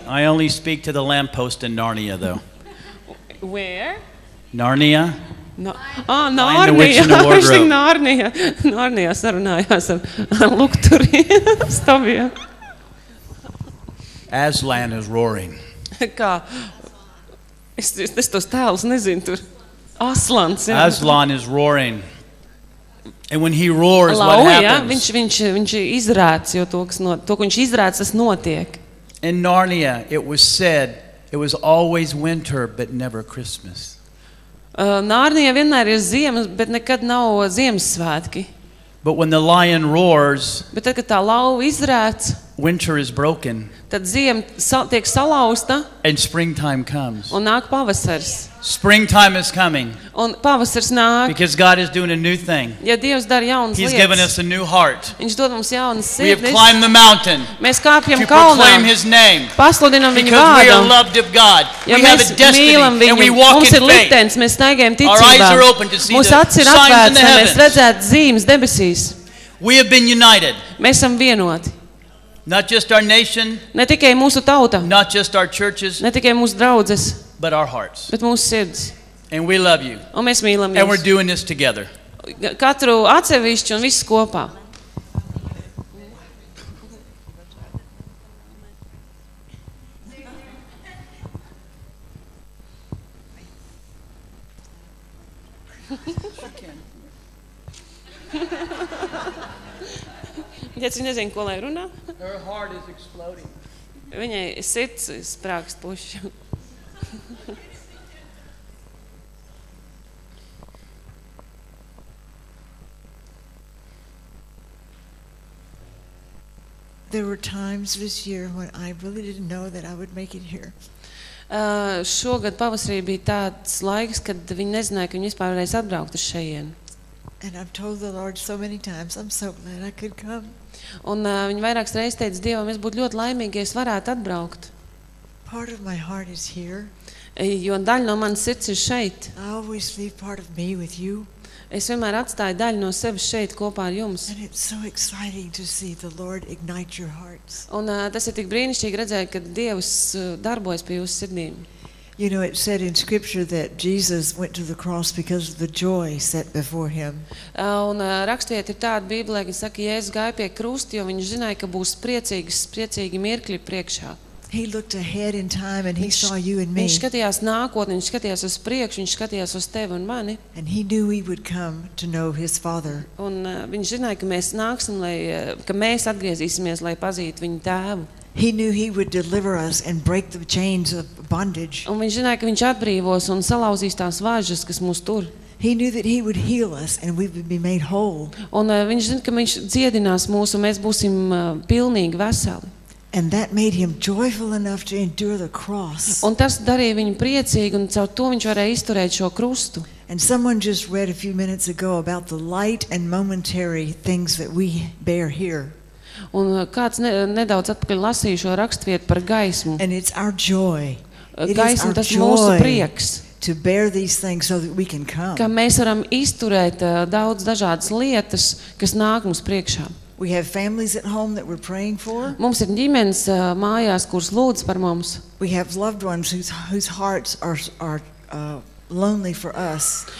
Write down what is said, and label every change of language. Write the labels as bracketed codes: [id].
[en] I only speak to the lamp post in Narnia, though. Where? Narnia. [lv] Nārnija, viņš tik Nārnija, Nārnija sarunājās ar lukturi stoviem. [en] Aslan is roaring. [lv] Kā, es tos tēlus nezinu, tur Aslans, jā. [en] Aslan is roaring. And when he roars, Lau, what happens? [lv] Ja, viņš izrēc, jo to, kas not, to, ko viņš izrēc, tas notiek. [en] In Narnia, it was said, it was always winter, but never Christmas. [lv] Narnia vienmēr ir ziema, bet nekad nav Ziemassvētki. [en] But when the lion roars, [lv] bet tad, kad tā lauva izrēc, [en] winter is broken. [lv] Tad ziema tiek salausta. [en] And springtime comes. [lv] Un nāk pavasars. [en] Springtime is coming. [lv] Un pavasars nāk. [en] Because God is doing a new thing. [lv] Ja Dievs dar jaunas lietas. [en] He's given us a new heart. [lv] Viņš dod mums jaunas sirdis. [en] We have climbed the mountain. [lv] Mēs kāpjam to kalnā. [en] Proclaim his name. [lv] Pasludinam viņu vārdu. [en] Because we are loved of God. [lv] Ja [en] we have a destiny and we walk [lv] mums [en] in faith. [lv] Mēs staigājam ticībā. Mūsu acis ir atvērtas, lai mēs redzētu zīmes debesīs. [en] We have been united. [lv] Mēs esam vienoti. [en] Not just our nation. [lv] Ne tikai mūsu tauta. [en] Not just our churches. [lv] Ne tikai mūsu draudzes. [en] But our hearts. [lv] Bet mūsu sirds. [en] And we love you. [lv] Un mēs mīlam jūs. [en] And we're doing this together. [lv] Katru atsevišķi un visu kopā. Ja tu nezin, ko lai runā. [en] Her heart is exploding. [lv] Viņai sirds sprākst puši. [en] There were times this year when I really didn't know that I would make it here. [lv] Šogad pavasarī bija tāds laiks, kad viņi nezināja, ka viņi vispār varēs atbraukt uz šejien. [en] And I've told the Lord so many times, I'm so glad I could come. [lv] Un viņi vairākas reizes teica, Dievam, es būtu ļoti laimīgi, ja es varētu atbraukt. [en] Part of my heart is here. [lv] Jo daļa no manas sirds ir šeit. [en] I always leave part of me with you. [lv] Es vienmēr atstāju daļu no sevis šeit kopā ar jums. [en] And it's so exciting to see the Lord ignite your hearts. [lv] Un tas ir tik brīnišķīgi redzēt, kad Dievs darbojas pie jūsu sirdīm. [en] You know, it said in scripture that Jesus went to the cross because of the joy set before him. [lv] Un rakstviet ir tāda Bībelē, kad saka, Jēzus gāja pie krusta, jo viņš zināja, ka būs priecīgi mirkļi priekšā. [en] He looked ahead in time and he saw you and me. [lv] Viņš skatījās nākotni, viņš skatījās uz priekšu, viņš skatījās uz tevi un mani. [en] And he knew we would come to know his father. [lv] Un viņš zināja, ka mēs nāksim, lai ka mēs atgriezīsimies, lai pazītu viņu tēvu. [en] He knew he would deliver us and break the chains of bondage. [lv] Un viņš zināja, ka viņš atbrīvos un salauzīs tās vāžas, kas mūs tur. [en] He knew that he would heal us and we would be made whole. [lv] Un viņš zināja, ka viņš dziedinās mūs un mēs būsim pilnīgi veseli. [en] And that made him joyful enough to endure the cross. [lv] Un tas darīja viņu priecīgu un caur to viņš varēja izturēt šo krustu. [en] And someone just read a few minutes ago about the light and momentary things that we bear here. [lv] Un kāds nedaudz atpakaļ lasīja šo rakstvietu par gaismu. [en] And it's our joy. [lv] Gaisma, tas mūsu prieks. [en] To bear these things so that we can come. [lv] Ka mēs varam izturēt daudz dažādas lietas, kas nāk mums priekšā. [en] We have families at home that we're praying for. [lv] Mums ir ģimenes mājās, kuras lūdz par mums. [en] We have loved ones whose hearts are lonely for us.